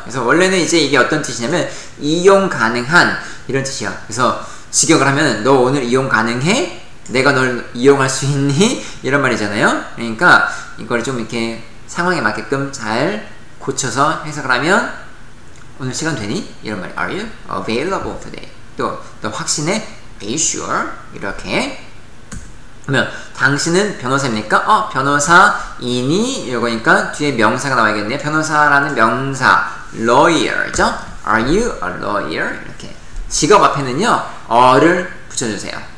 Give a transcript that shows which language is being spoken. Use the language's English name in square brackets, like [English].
[Korean] 그래서 원래는 이제 이게 어떤 뜻이냐면 이용 가능한 이런 뜻이야. 그래서 직역을 하면 너 오늘 이용 가능해? 내가 널 이용할 수 있니? 이런 말이잖아요. 그러니까 이걸 좀 이렇게 상황에 맞게끔 잘 고쳐서 해석을 하면 오늘 시간 되니? 이런 말이 [English] Are you available today? [Korean] 또 너 확신해? [English] Are you sure? [Korean] 이렇게 그러면 당신은 변호사입니까? 변호사이니? 이거니까 뒤에 명사가 나와야겠네요. 변호사라는 명사 lawyer죠? [English] Are you a lawyer? [Korean] 이렇게 직업 앞에는요 어를 붙여주세요.